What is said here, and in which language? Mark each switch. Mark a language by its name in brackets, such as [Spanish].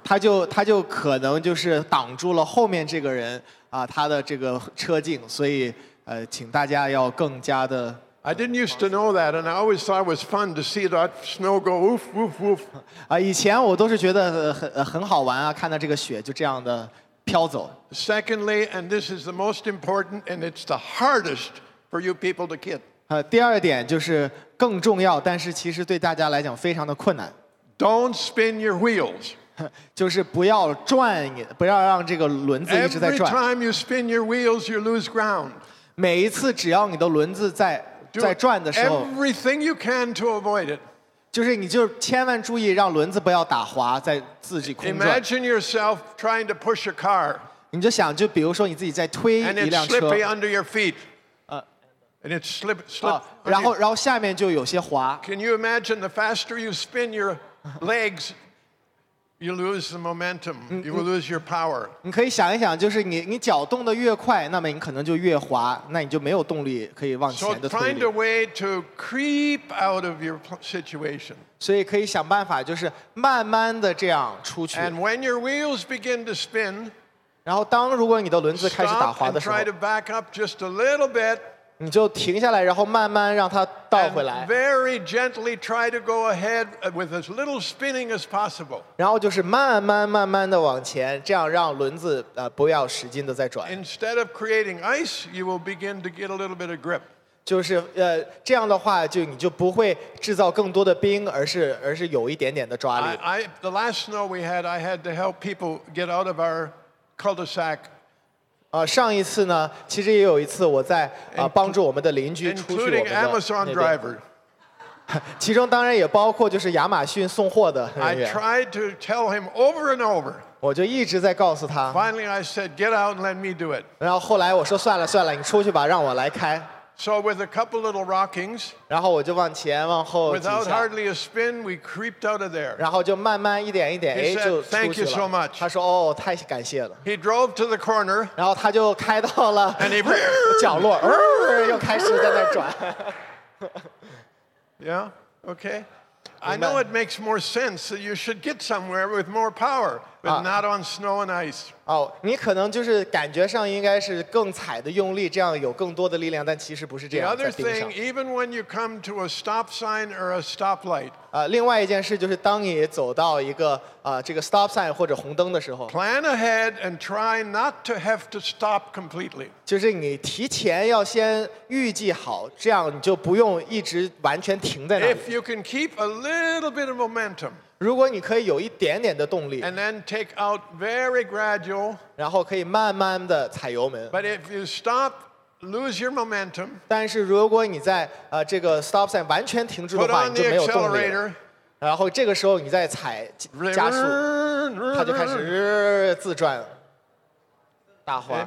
[Chinese] 他就可能就是挡住了后面这个人。他的这个车镜，所以请大家要更加的。 [English] I didn't used to know that, and I always thought it was fun to see that snow go woof woof woof. [Chinese] 以前我都是觉得很好玩啊，看到这个雪就这样的飘走。 [English] Secondly, and this is the most important, and it's the hardest for you people to get. [Chinese] 第二点就是更重要，但是其实对大家来讲非常的困难。 [English] Don't spin your wheels. [Chinese] 就是不要转，不要让这个轮子一直在转。 [English] Every time you spin your wheels, you lose ground. [Chinese] 每一次只要你的轮子在转的时候 [English] ，Everything you can to avoid it. [Chinese] 就是你就千万注意让轮子不要打滑，在自己空转。 [English] Imagine yourself trying to push a car. [Chinese] 你就想，就比如说你自己在推一辆车。 [English] And it's slippy under your feet. And it's slip. [Chinese] 然后下面就有些滑。 [English] Can you imagine the faster you spin your legs? You lose the momentum. You will lose your power. [Chinese] 你可以想一想，就是你脚动得越快，那么你可能就越滑，那你就没有动力可以往前的推力。 [English] So find a way to creep out of your situation. [Chinese] 所以可以想办法，就是慢慢的这样出去。 [English] And when your wheels begin to spin, [Chinese] 然后当如果你的轮子开始打滑的时候 [English] ，try to back up just a little bit. [Chinese] 你就停下来，然后慢慢让它倒回来。 [English] And very gently try to go ahead with as little spinning as possible. [Chinese] 然后就是慢慢慢慢的往前，这样让轮子不要使劲的在转。 [English] Instead of creating ice, you will begin to get a little bit of grip. [Chinese] 就是这样的话，就你就不会制造更多的冰，而是有一点点的抓力。 [English] The last snow we had, I had to help people get out of our cul-de-sac. [Chinese] 上一次呢，其实也有一次我在帮助我们的邻居出去我们的那边。其中当然也包括就是亚马逊送货的人员。 [English] I tried to tell him over and over. [Chinese] 我就一直在告诉他。 [English] Finally, I said, "Get out and let me do it." [Chinese] 然后后来我说算了，你出去吧，让我来开。 [English] So with a couple little rockings. [Chinese] 然后我就往前往后几下。 [English] Without hardly a spin, we creeped out of there. [Chinese] 然后就慢慢一点一点，哎，就出去了。 [English] Thank you so much. [Chinese] 他说哦，太感谢了。 [English] He drove to the corner. [Chinese] 然后他就开到了。 [English] And he [Chinese] 角落，又开始在那转。 [English] Yeah. Okay. I know it makes more sense that you should get somewhere with more power. But not on snow and ice. [Chinese] 你可能就是感觉上应该是更踩的用力，这样有更多的力量，但其实不是这样。 [English] The other thing, even when you come to a stop sign or a stoplight. [Chinese] 另外一件事就是当你走到一个这个 stop sign 或者红灯的时候 [English] ，plan ahead and try not to have to stop completely. [Chinese] 就是你提前要先预计好，这样你就不用一直完全停在那里。 [English] If you can keep a little bit of momentum. [Chinese] 如果你可以有一点点的动力 [English] and then take out very gradual, [Chinese] 然后可以慢慢的踩油门 [English] but if you stop, lose your momentum, [Chinese] 但是如果你在这个 stop sign 完全停住的话你就没有动力了然后这个时候你再踩加速它就开始自转大滑